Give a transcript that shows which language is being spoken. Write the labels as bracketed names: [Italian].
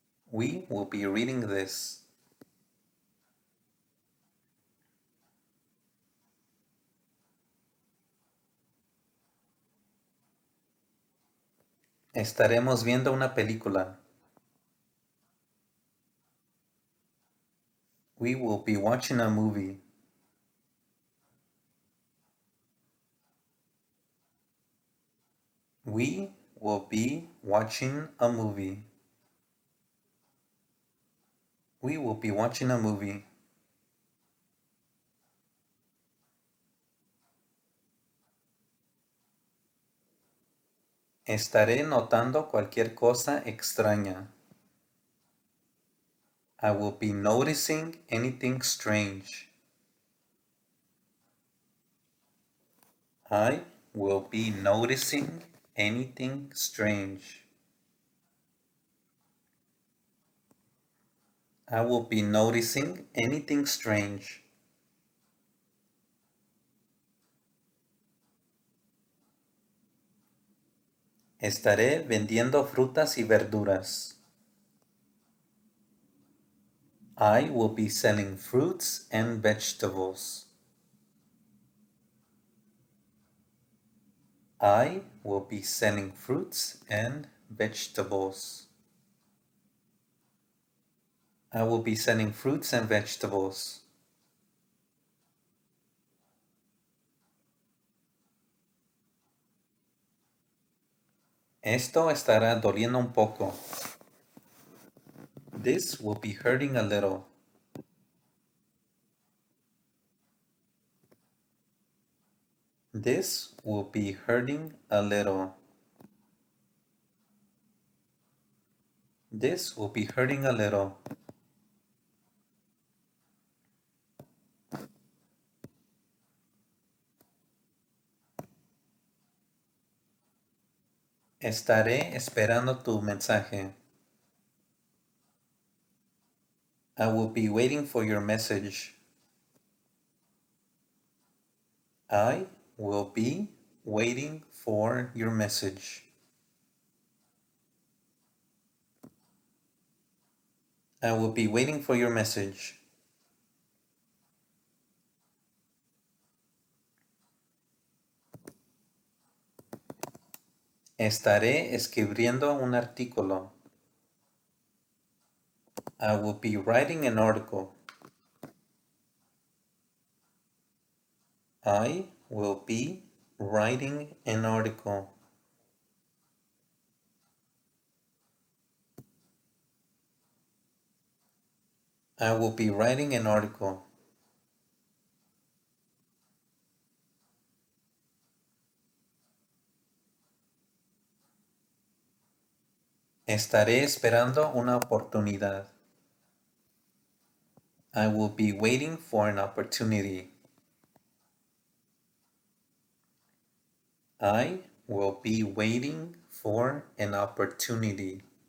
[English] We will be reading this. [Spanish] Estaremos viendo una película. [English] We will be watching a movie. We will be watching a movie. We will be watching a movie. [Spanish] Estaré notando cualquier cosa extraña. [English] I will be noticing anything strange. I will be noticing anything strange. I will be noticing anything strange. [Spanish] Estaré vendiendo frutas y verduras. [English] I will be selling fruits and vegetables. I will be selling fruits and vegetables. I will be selling fruits and vegetables. [Spanish] Esto estará doliendo un poco. [English] This will be hurting a little. This will be hurting a little. This will be hurting a little. [Spanish] Estaré esperando tu mensaje. [English] I will be waiting for your message. I will be waiting for your message. I will be waiting for your message. [Spanish] Estaré escribiendo un artículo. [English] I will be writing an article. I will be writing an article. I will be writing an article. [Spanish] Estaré esperando una oportunidad. [English] I will be waiting for an opportunity. I will be waiting for an opportunity.